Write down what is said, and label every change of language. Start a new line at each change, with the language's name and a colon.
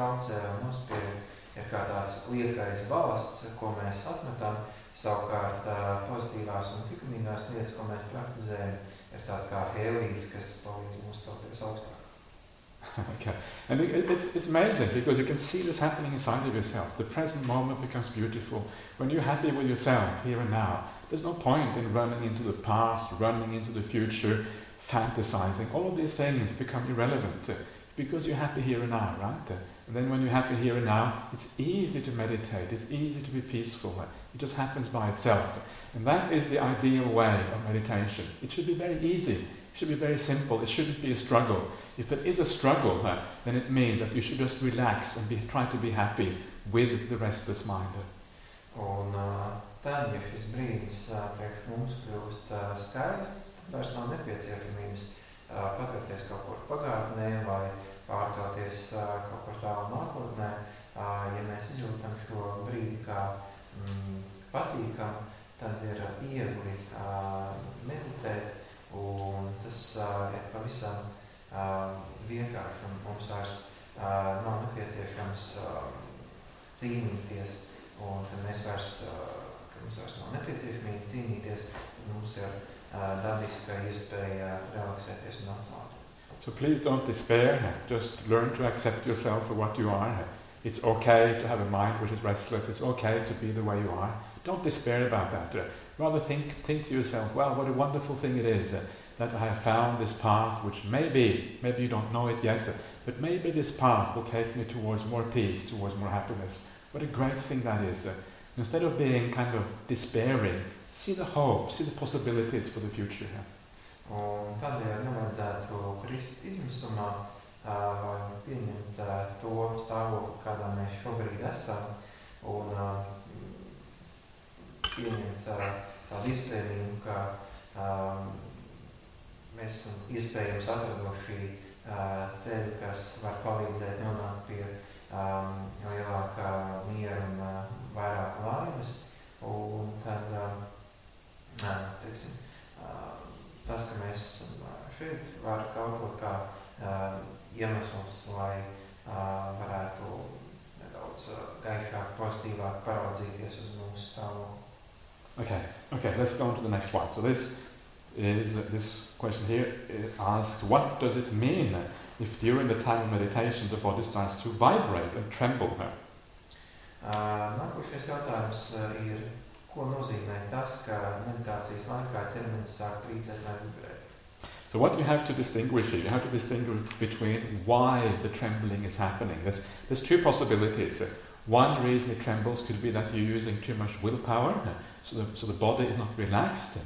Latvian: Ir kā tāds liekais balasts, ko mēs atmetam, savukārt pozitīvās un tikumīgās lietas, ko mēs praktizējam, ir tāds kā helijs, kas palīdz mums celties augstāk.
English: Okay. And it's amazing, because you can see this happening inside of yourself. The present moment becomes beautiful. When you're happy with yourself, here and now, there's no point in running into the past, running into the future, fantasizing. All of these things become irrelevant, because you're happy here and now, right? And then when you're happy here and now, it's easy to meditate, it's easy to be peaceful. It just happens by itself. And that is the ideal way of meditation. It should be very easy, it should be very simple, it shouldn't be a struggle. If it is a struggle, then it means that you should just relax and try to be happy with the restless mind.
Latvian: Un tad, ja šis brīdis priekš mums kļūst skaists, vairs nav nepieciešamības pakarties kaut kur pagātnē vai pārcelties kaut kur tālu nākotnē, ja mēs izjūtam šo brīdi kā patīkam, tad ir viegli meditēt, un tas ir pavisam vienkārši, un mums vairs nav nepieciešams cīnīties, un tad mēs vairs, ka mums vairs nav nepieciešamība cīnīties, tad mums ir dabiska iespēja relaksēties un atslābt.
English: So please don't despair, just learn to accept yourself for what you are. It's okay to have a mind which is restless, it's okay to be the way you are. Don't despair about that. Rather think to yourself, well, what a wonderful thing it is that I have found this path, which maybe you don't know it yet, but maybe this path will take me towards more peace, towards more happiness. What a great thing that is. Instead of being kind of despairing, see the hope, see the possibilities for the future.
Latvian: Un tādēļ nevajadzētu krist izmisumā vai pieņemt to stāvokli, kādā mēs šobrīd esam, un pieņemt tādu iespējamību, ka mēs esam iespējams atradoši ceļu, kas var palīdzēt nonākt pie lielākā miera un vairāk laimes, un tad, teiksim, tas, ka mēs šeit var kaut ko kā iemesls, lai varētu nedaudz gaišāk, pozitīvāk paraudzīties uz mūsu stāvokli.
English: Okay, let's go on to the next one. So this question here asks, what does it mean if during the time of meditation the body starts to vibrate and tremble?
Latvian: Nākošais jautājums ir, ko nozīmē tas, ka meditācijas laikā ķermenis sāk trīcēt vai vibrēt?
English: So what you have to distinguish here, you have to distinguish between why the trembling is happening. There's two possibilities. One reason it trembles could be that you're using too much willpower, so the body is not relaxed.